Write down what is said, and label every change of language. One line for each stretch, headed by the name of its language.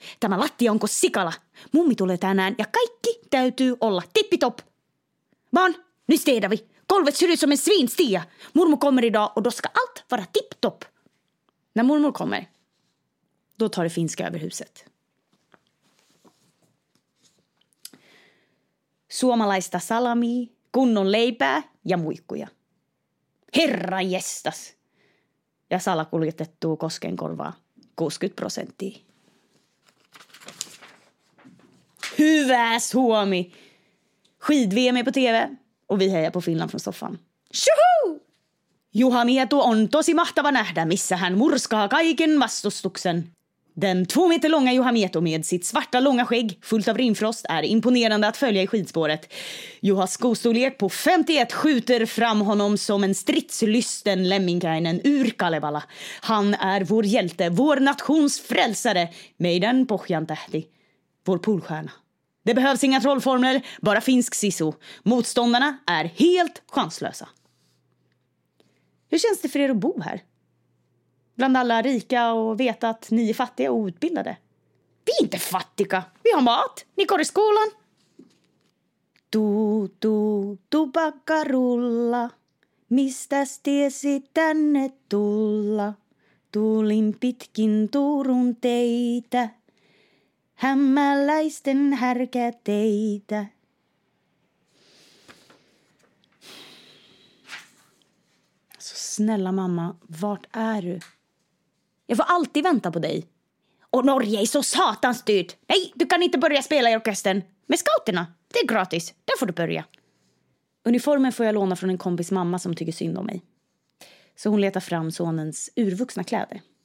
Finnish: Tämä lattia onko sikala. Mummi tulee tänään ja kaikki täytyy olla tippitopp.
Swedish: Vaan! Nu städar vi. Golvet ser ut som en svinstia. Mormor kommer idag och då ska allt vara tipptopp. När mormor kommer, då tar det finska över huset.
Finnish: Suomalaista salami, kunnon leipää ja muikkuja. Herra gestas. Ja salakuljetettu koskenkorvaa 60%. Hyvä Suomi.
Swedish: Skid-VM på TV. Och vi hejar på Finland från soffan. Tjoho!
Finnish: Juha Mieto on tosi mahtava nähdä, missä hän murskaa kaiken vastustuksen.
Swedish: Den 2 meter långa Juha Mieto med sitt svarta långa skägg fullt av rimfrost är imponerande att följa i skidspåret. Johas skostorlek på 51 skjuter fram honom som en stridslysten lemminkainen ur Kalevala. Han är vår hjälte, vår nations frälsare,
Finnish: meidän pohjantähti,
Swedish: vår polstjärna. Det behövs inga trollformler, bara finsk siso. Motståndarna är helt chanslösa. Hur känns det för er att bo här? Bland alla rika och veta att ni är fattiga och outbildade. Vi är inte fattiga. Vi har mat. Ni går i skolan.
Finnish: Tu, tupakarulla. Mistäs tiesi tänne tulla? Tulin pitkin Turun teitä. Hämmäläisten härkä teitä.
Swedish: Så snälla mamma, vart är du? Jag får alltid vänta på dig. Och Norge är så satans dyrt. Nej, du kan inte börja spela i orkestern. Med scouterna, det är gratis. Där får du börja. Uniformen får jag låna från en kompis mamma som tycker synd om mig. Så hon letar fram sonens urvuxna kläder.